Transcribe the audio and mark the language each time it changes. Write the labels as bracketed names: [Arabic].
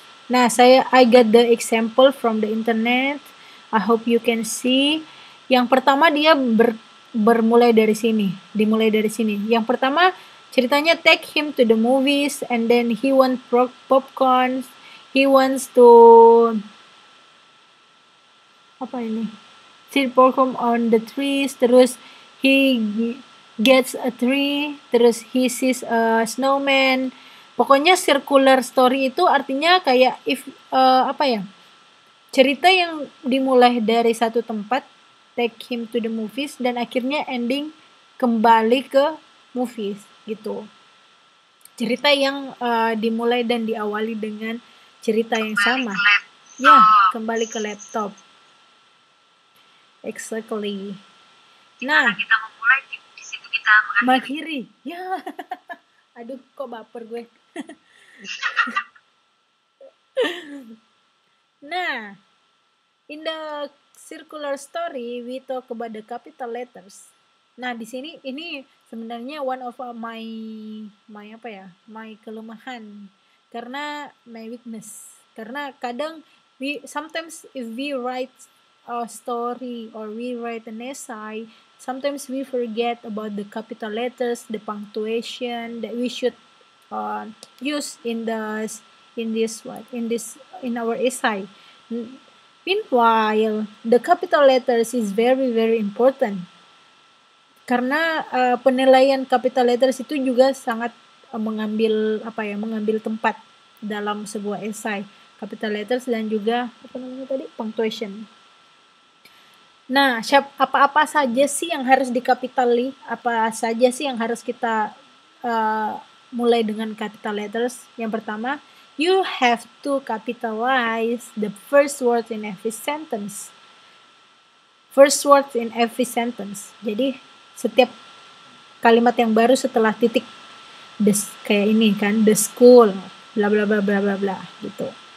[English] Nah, I got the example from the internet. I hope you can see. [Indonesian] Yang pertama dia dimulai dari sini. Yang pertama ceritanya [English] take him to the movies and then he wants popcorn. He wants to sit popcorn on the trees. Terus he gets a tree. Terus he sees a snowman. [Indonesian] Pokoknya circular story itu artinya kayak if apa ya? Cerita yang dimulai dari satu tempat, [English] take him to the movies, [Indonesian] dan akhirnya ending kembali ke movies gitu. Cerita yang dimulai dan diawali dengan cerita kembali yang sama. Ke laptop. Ya, kembali ke laptop. Exactly. Nah, kita memulai di situ kita mengakhiri. Ya. Aduh, kok baper gue. [English] Nah, in the circular story we talk about the capital letters. [Indonesian] Nah, di sini ini sebenarnya [English] one of my [Indonesian] apa ya? [English] My [Indonesian] kelemahan. Karena [English] my weakness. [Indonesian] Karena kadang [English] sometimes if we write a story or we write an essay, sometimes we forget about the capital letters, the punctuation that we should use in our essay. Meanwhile, the capital letters is very very important. [Indonesian] Karena penilaian capital letters itu juga sangat mengambil tempat dalam sebuah essay. Capital letters dan juga apa namanya tadi? Punctuation. Nah, apa-apa saja sih yang harus dikapitali? Apa saja sih yang harus kita mulai dengan capital letters? Yang pertama, [English] you have to capitalize the first word in every sentence. First word in every sentence. [Indonesian] Jadi, setiap kalimat yang baru setelah titik, kayak ini kan, the school, bla bla bla bla bla bla, gitu.